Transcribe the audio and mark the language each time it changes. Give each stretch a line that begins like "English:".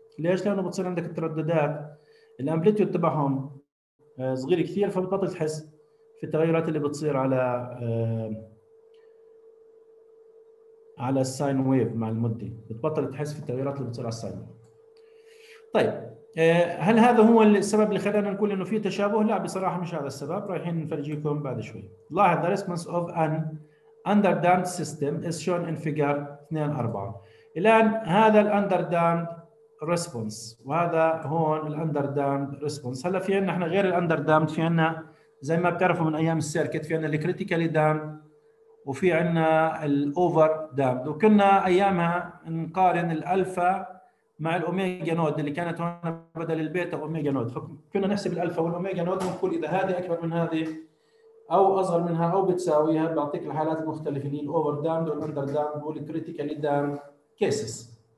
Arabic: ليش؟ لانه بتصير عندك الترددات الامبليتيود تبعهم صغير كثير، فبتبطل تحس في التغيرات اللي بتصير على الساين ويف مع المده، بتبطل تحس في التغيرات اللي بتصير على الساين ويف. طيب هل هذا هو السبب اللي خلانا نقول انه في تشابه؟ لا بصراحه مش هذا السبب، رايحين نفرجيكم بعد شوي. لاحظ
English: the response of an underdamped system is shown in figure 2-4.
Arabic: الان هذا الunderdamped response وهذا هون الunderdamped response. هلا في عندنا احنا غير الunderdamped، في عندنا زي ما بتعرفوا من ايام السيركت، في عندنا الكريتيكالي دامب وفي عندنا الاوفر دامب، وكنا ايامها نقارن الالفا مع الاوميجا نود اللي كانت هون بدل البيتا اوميجا نود، فكنا نحسب الالفا والاوميجا نود ونقول اذا هذه اكبر من هذه او اصغر منها او بتساويها بيعطيك الحالات المختلفه اللي الاوفر دامب والاندر دامب والكريتيكالي دامب كيسز.